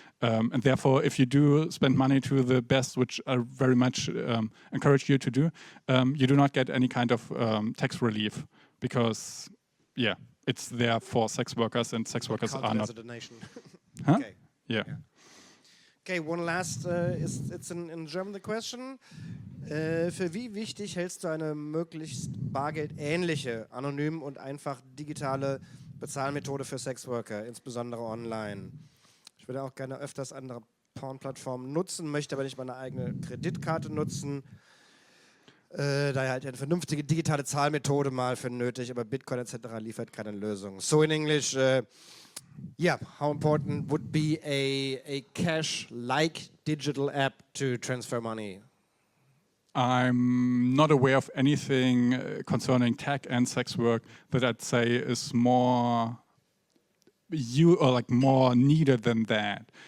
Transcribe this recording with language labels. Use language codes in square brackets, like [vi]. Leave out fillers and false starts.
[en] And therefore, if you do spend money to the best, which I very much encourage you to do, you do not get any kind of tax relief because, yeah, it's there for sex workers and sex workers are not... a donation. Huh? Okay. Yeah. Okay, one last, it's in German the question. [de] Für wie wichtig hältst du eine möglichst bargeldähnliche, anonym und einfach digitale Bezahlmethode für Sexworker, insbesondere online? Ich würde auch gerne öfters andere Porn-Plattformen nutzen, möchte aber nicht meine eigene Kreditkarte nutzen. Da halt eine vernünftige digitale Zahlmethode mal für nötig, aber Bitcoin etc. liefert keine Lösung. So in Englisch, [en] how important would be a cash-like digital app to transfer money? I'm not aware of anything concerning tech and sex work that I'd say is more needed than that.